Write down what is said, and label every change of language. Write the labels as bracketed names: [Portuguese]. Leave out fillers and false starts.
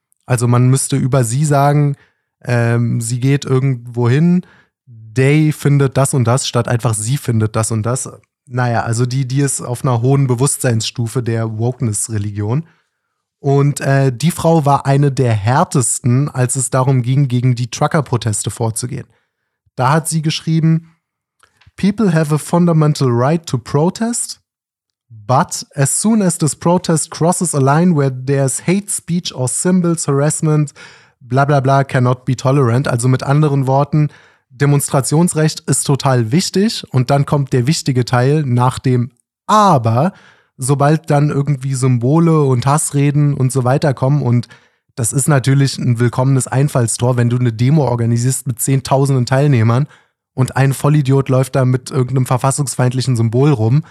[German] Also man müsste über sie sagen, sie geht irgendwo hin, They findet das und das, statt einfach sie findet das und das. Naja, also die ist auf einer hohen Bewusstseinsstufe der Wokeness-Religion. Und die Frau war eine der härtesten, als es darum ging, gegen die Trucker-Proteste vorzugehen. Da hat sie geschrieben, [English] "People have a fundamental right to protest, but as soon as this protest crosses a line where there's hate speech or symbols harassment, bla bla bla, cannot be tolerant." [German] Also mit anderen Worten, Demonstrationsrecht ist total wichtig und dann kommt der wichtige Teil nach dem Aber, sobald dann irgendwie Symbole und Hassreden und so weiter kommen. Und das ist natürlich ein willkommenes Einfallstor, wenn du eine Demo organisierst mit zehntausenden Teilnehmern und ein Vollidiot läuft da mit irgendeinem verfassungsfeindlichen Symbol rum.